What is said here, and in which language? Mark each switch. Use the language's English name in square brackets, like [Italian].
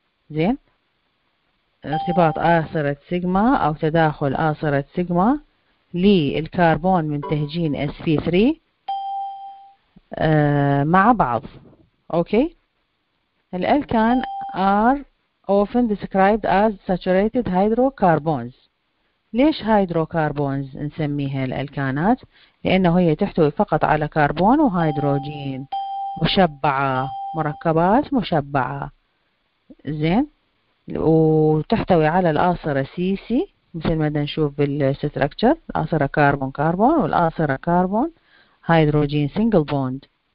[Arabic] زين، ارتباط آسرة سيجما أو تداخل آسرة سيجما للكربون من تهجين SP3 مع بعض. [English] Okay, الألكان are often described as saturated hydrocarbons. [Arabic] ليش hydrocarbons نسميها الألكانات؟ لأنه هي تحتوي فقط على كربون وهيدروجين، مشبعة، مركبات مشبعة. زين، وتحتوي على الآسرة CC مثل ما نشوف بالستركتشر، الآسرة كربون كربون والآسرة كربون هيدروجين سينجل بوند.